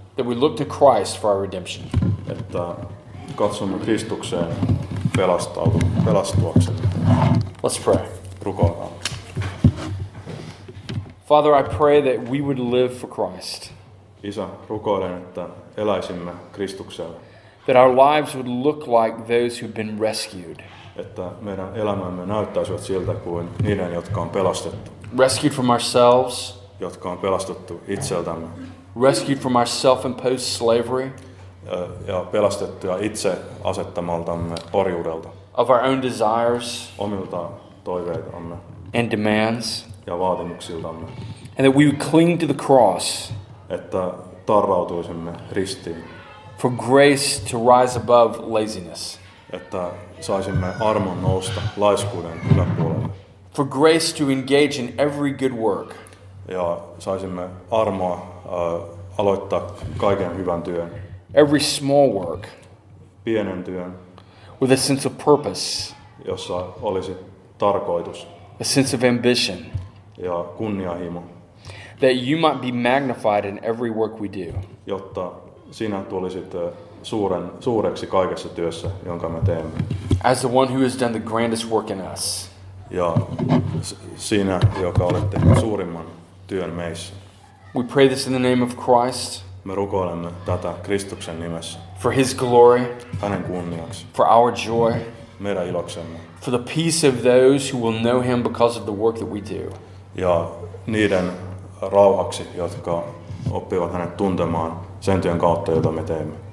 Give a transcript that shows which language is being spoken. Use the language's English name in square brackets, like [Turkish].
[English] That we look to Christ for our redemption. [Finnish] Että katsomme Kristukseen pelastuaksemme. [English] Let's pray. [Finnish] Rukoillaan. [English] Father, I pray that we would live for Christ. [Finnish] Isä, rukoilen, että eläisimme Kristuksella. [English] That our lives would look like those who've been rescued. [Finnish] Että meidän elämämme näyttäisivät siltä kuin niiden, jotka on pelastettu. [English] Rescued from ourselves. [Finnish] Jotka on pelastettu itseltämme. [English] Rescued from our self-imposed slavery. [Finnish] Ja pelastettuja itse asettamaltamme orjuudelta. [English] Of our own desires. [Finnish] Omilta toiveitamme. [English] And demands. [Finnish] Ja vaatimuksiltamme. [English] And that we would cling to the cross. [Finnish] Että tarrautuisimme ristiin. [English] For grace to rise above laziness. [Finnish] Että saisimme armon nousta laiskuuden yläpuolelle. [English] For grace to engage in every good work. [Finnish] Ja saisimme armoa aloittaa kaiken hyvän työn. [English] Every small work. [Finnish] Pienen työn. [English] With a sense of purpose. [Finnish] Jossa olisi tarkoitus. [English] A sense of ambition. [Finnish] Ja kunnianhimo. [English] That you might be magnified in every work we do. [Finnish] Jotta sinä tulisit suureksi kaikessa työssä, jonka me teemme. [English] As the one who has done the grandest work in us. [Finnish] Ja sinä, joka olet tehnyt suurimman työn meissä. [English] We pray this in the name of Christ. [Finnish] Me rukoilemme tätä Kristuksen nimessä. [English] For his glory. [Finnish] Hänen kunniaksi. [English] For our joy. [Finnish] Meidän iloksemme. [English] For the peace of those who will know him because of the work that we do. [Finnish] Ja niiden rauhaksi, jotka oppivat hänet tuntemaan sen työn kautta, jota me teemme.